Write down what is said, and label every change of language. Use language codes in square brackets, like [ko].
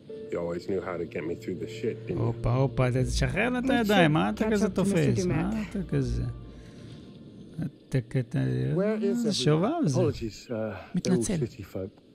[en] You always knew how to get me through the shit, didn't you? [he] אופה, אופה, תשחרר לנו את הידיים, מה אתה כזה תופס? מה אתה כזה? [en] Where is everyone? Apologies, fellow city folk.